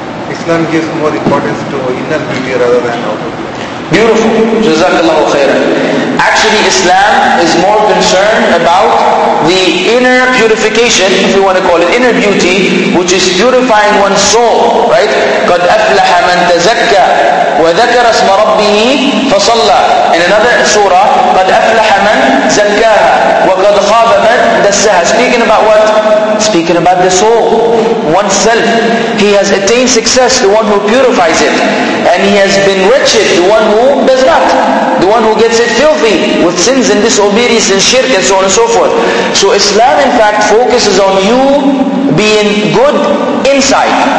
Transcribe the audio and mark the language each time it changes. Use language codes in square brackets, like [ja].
[en] Islam gives more importance to inner beauty rather than outer beauty. Beautiful. Jazakallahu khairan. Actually, Islam is more concerned about the inner purification, if you want to call it inner beauty, which is purifying one's soul, right? [ar] قَدْ أَفْلَحَ مَنْ تَزَكَّى وَذَكَرَ اسْمَ رَبِّهِ فَصَلَّى. [en] In another surah, [ar] قَدْ أَفْلَحَ مَنْ زَكَّاهَا وَقَدْ خَابَ مَنْ دَسَّهَا. [en] Speaking about what? Speaking about the soul, oneself. He has attained success, the one who purifies it. And he has been wretched, the one who does not. The one who gets it filthy with sins and disobedience and shirk and so on and so forth. So Islam in fact focuses on you being good inside.